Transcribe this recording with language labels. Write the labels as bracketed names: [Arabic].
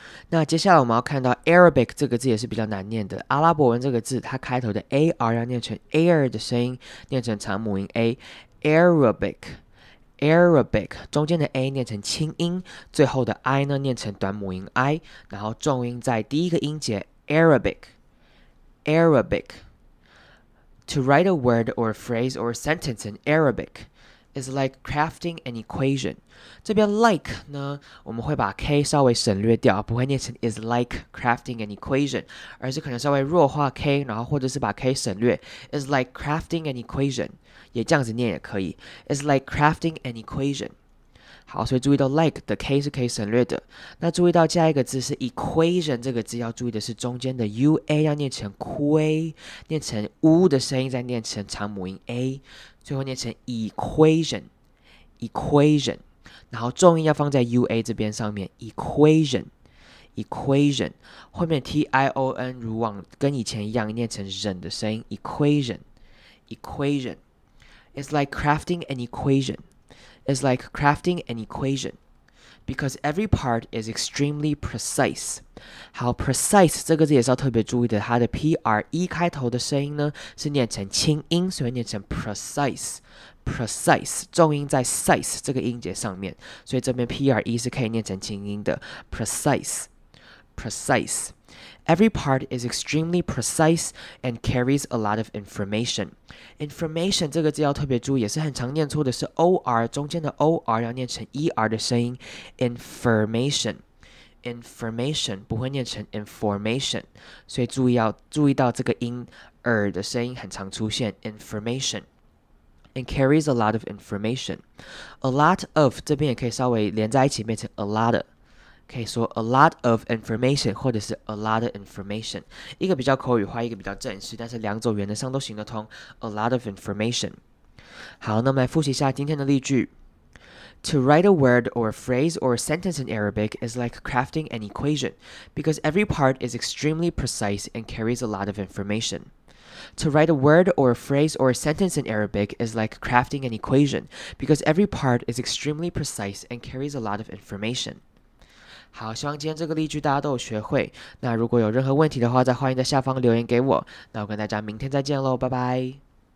[Chinese] 那接下来我们要看到 Arabic 这个字也是比较难念的，阿拉伯文这个字它开头的 A-R 要念成 air 的声音，念成长母音 A， Arabic， Arabic， 中间的 A 念成轻音，最后的 I 呢念成短母音 I， 然后重音在第一个音节 Arabic， Arabic。 [English] To write a word or a phrase or a sentence in Arabic is like crafting an equation。 [Chinese] 这边 like 呢，我们会把 K 稍微省略掉，不会念成 [English] is like crafting an equation， [Chinese] 而是可能稍微弱化 K， 然后或者是把 K 省略， is like crafting an equation，也这样子念也可以， It's like crafting an equation。好，所以注意到 like 的 K 是可以省略的。那注意到下一个字是 equation， 这个字要注意的是中间的 UA 要念成 QA， 念成 U 的声音再念成长母音 A， 最后念成 equation， equation， 然后重音要放在 UA 这边上面， equation， equation， 后面 TION 如往跟以前一样念成人的声音， equation， equation。 [English] It's like crafting an equation. It's like crafting an equation. Because every part is extremely precise. [Chinese] 好， precise 这个字也是要特别注意的，它的 P-R-E 开头的声音呢是念成轻音，所以念成 precise， precise， 重音在 size 这个音节上面，所以这边 P-R-E 是可以念成轻音的， precise， precise。 [English] Every part is extremely precise and carries a lot of information. [Chinese] Information 这个字要特别注意，也是很常念错的，是 OR， 中间的 OR 要念成 ER 的声音， information， information， 不会念成 information， 所以注意要注意到这个音 ER 的声音很常出现， information。 [English] And carries a lot of information. [Chinese] A lot of 这边也可以稍微连在一起变成 [English] a lot of。 [Chinese] 可以说 [English] a lot of information [Chinese] 或者是 a lot of information， 一个比较口语化，一个比较正式，但是两种原则上都行得通， a lot of information。好，那我们来复习一下今天的例句。 [English] To write a word or a phrase or a sentence in Arabic is like crafting an equation, because every part is extremely precise and carries a lot of information. To write a word or a phrase or a sentence in Arabic is like crafting an equation, because every part is extremely precise and carries a lot of information. [Chinese] 好，希望今天这个例句大家都有学会。那如果有任何问题的话，再欢迎在下方留言给我。那我跟大家明天再见喽，拜拜。